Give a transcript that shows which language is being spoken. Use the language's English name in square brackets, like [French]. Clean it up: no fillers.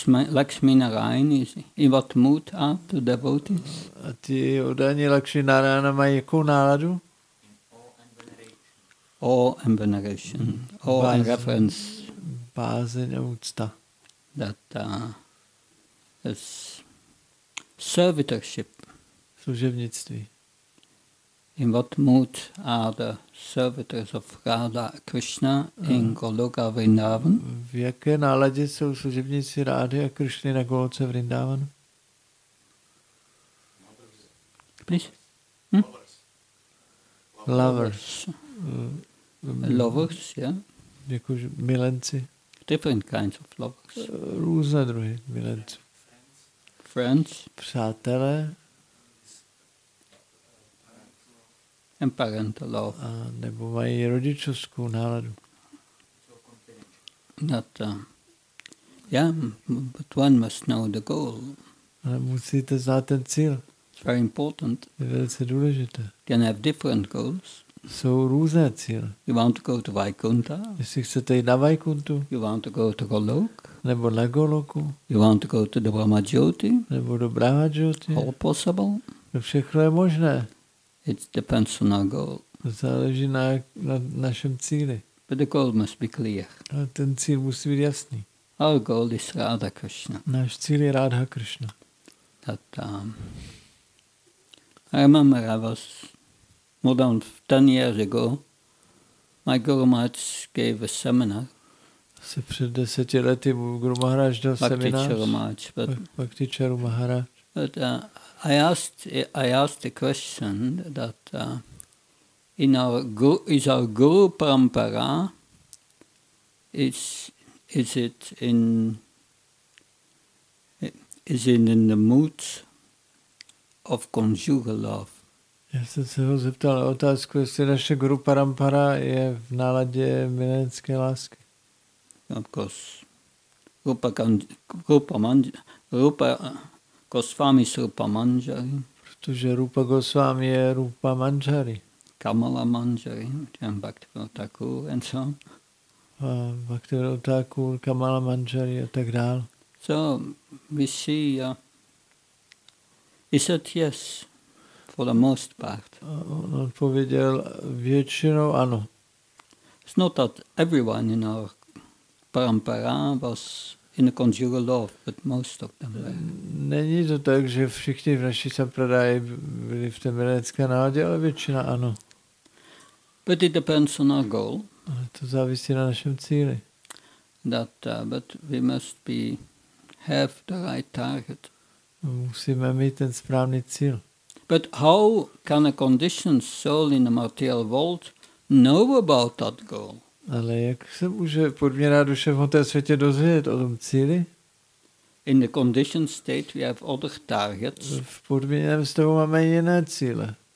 [English] Lakshmi Narayan is in what mood are the devotees? [Czech] A ti odaní Lakshmi Narayana mají jakou náladu? [English] Awe and veneration. Awe and reference. [Czech] Bázeň a úcta. [English] That is servitorship. [Czech] Služebnictví. [English] In what mood are the servitors of Radha Krishna in Goloka Vrindavan? [Czech] V jaké náladě jsou služebníci Rády a Krishny na Goloce Vrindavan? [English] Lovers. Lovers, yeah. [Czech] Jako milenci. [English] Different kinds of lovers. [Czech] Různé druhy milenci. [English] Friends. [Czech] Přátelé. [English] And parental love. [Czech] A nebo mají rodičovskou náladu. [English] That, but one must know the goal. [Czech] Ale musíte znát ten cíl. [English] It's very important. [Czech] Je velice důležité. [English] Can have different goals. [Czech] Jsou různé cíle. [English] You want to go to Vaikuntha? [Czech] Jestli chcete jít na Vaikuntu? [English] You want to go to Golok? [Czech] Nebo na Goloku? [English] You want to go to the Brahma Jyoti? [Czech] Nebo do Brahma Jyoti? [English] All possible. [Czech] No všechno je možné. [English] It depends on our goal. [Czech] Záleží na našem cíli. [English] But the goal must be clear. [Czech] A ten cíl musí být jasný. [English] Our goal is Radha Krishna. [Czech] Náš cíl je Radha Krishna. [English] That, I remember I was more than 10 years ago, my Guru Maharaj gave a seminar. [Czech] Se před 10 lety Guru Maharaj dal seminář. Bhaktičaru Maharaj. [English] But, I asked the question that is our Guru Parampara is it in the mood of conjugal love? [Czech] Já jsem se ho zeptal na otázku, jestli naše Guru Parampara je v náladě milenské lásky. [English] Of course. Goswami is Rupa Manjari. [Czech] Protože Rupa Goswami je Rupa Manjari. [English] Kamala Manjari, and Bhaktivinoda Thakur, and so on. [Czech] Bhaktivinoda Thakur, Kamala Manjari, a tak dál. [English] So, we see, he said yes, for the most part. [Czech] On odpověděl, většinou ano. [English] It's not that everyone in our parampara was in the conjugal love, but most of them were. [Czech] Není to tak, že všichni v naší sampradáji byli v té milenecké náladě, ale většina ano. [English] But it depends on our goal. [Czech] Ale to závisí na našem cíli. [English] That, but we must be have the right target. [Czech] Musíme mít ten správný cíl. [English] But how can a conditioned soul in the material world know about that goal? [Czech] Ale jak se může podměná duše v hmotném světě dozvědět o tom cíli? [English] In the conditioned state we have other targets. [Czech] V podměném stavu máme jiné cíle.